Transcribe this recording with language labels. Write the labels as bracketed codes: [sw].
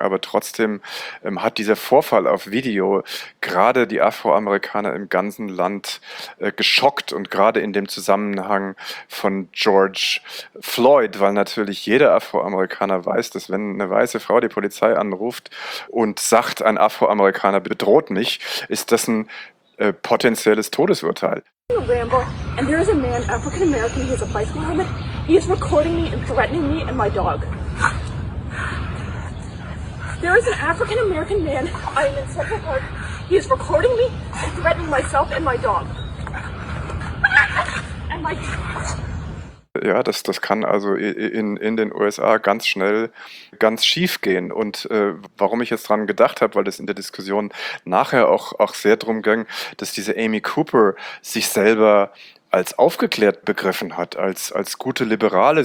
[de] Aber trotzdem hat dieser Vorfall auf Video gerade die Afroamerikaner im ganzen Land geschockt und gerade in dem Zusammenhang von George Floyd, weil natürlich jeder Afroamerikaner weiß, dass wenn eine weiße Frau die Polizei anruft und sagt, ein Afroamerikaner bedroht mich, ist das ein potenzielles Todesurteil. [en] And there is a man, African American, he has a bicycle helmet. He is recording me and threatening me and my dog. There is an African American man, I am in Central Park. He is recording me and threatening myself and my dog. And my [de] Ja, das kann also in den USA ganz schnell ganz schief gehen. Und warum ich jetzt dran gedacht habe, weil das in der Diskussion nachher auch sehr drum ging, dass diese Amy Cooper sich selber als aufgeklärt begriffen hat, als gute Liberale.